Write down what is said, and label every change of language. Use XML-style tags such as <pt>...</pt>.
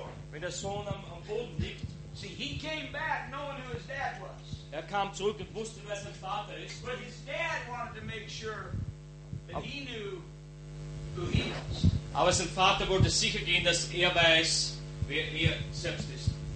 <de>Wenn der Sohn am Boden liegt.</de> <en>See, he came back knowing who his dad was.</en> <de>Er kam zurück und wusste, wer sein Vater ist.</de> <en>But his dad wanted to make sure that he knew who he was.</en> <de>Aber sein Vater wollte sicher gehen, dass weiß, wer selbst ist.</de>